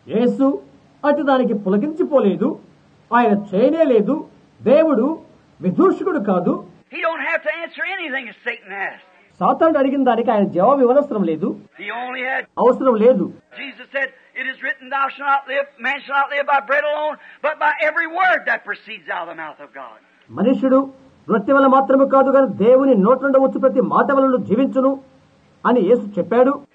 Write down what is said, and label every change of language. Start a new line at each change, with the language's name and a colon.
Telugu: యేసు అటు దానికి పులకించిపోలేదు, ఆయన చేయనే లేదు. దేవుడు విదూషకుడు కాదు.
English: He don't have to answer anything as Satan asked.
Telugu: సాతాను అడిగిన దానికి ఆయన జవాబు ఇవ్వనవసరం లేదు.
English: He only had
Telugu: అవసరం లేదు.
English: Jesus said, it is written, thou shalt not live, man shall not live by bread alone, but by every word that proceeds out of the mouth of God.
Telugu: మనిషిడు రొట్టె వల్ల మాత్రమే కాదు గాని దేవుని నోటి నుండి వచ్చే ప్రతి మాట వలన జీవించును అని యేసు చెప్పాడు.